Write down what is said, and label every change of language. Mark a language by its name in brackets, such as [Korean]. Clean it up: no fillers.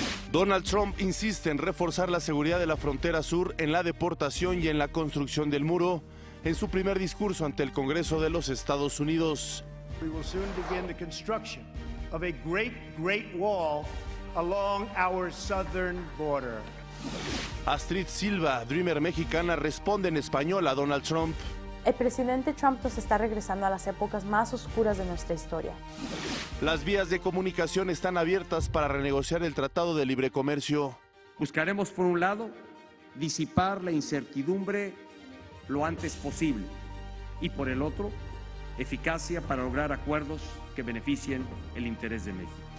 [Spanish] Donald Trump insiste en reforzar la seguridad de la frontera sur, en la deportación y en la construcción del muro, en su primer discurso ante el Congreso de los Estados Unidos. [English] We will soon begin the construction of a great, great wall along our southern border. [Spanish] Astrid Silva, dreamer mexicana, responde en español a Donald Trump. El presidente Trump nos está regresando a las épocas más oscuras de nuestra historia. Las vías de comunicación están abiertas para renegociar el Tratado de Libre Comercio. Buscaremos, por un lado, disipar la incertidumbre lo antes posible, y por el otro, eficacia para lograr acuerdos que beneficien el interés de México.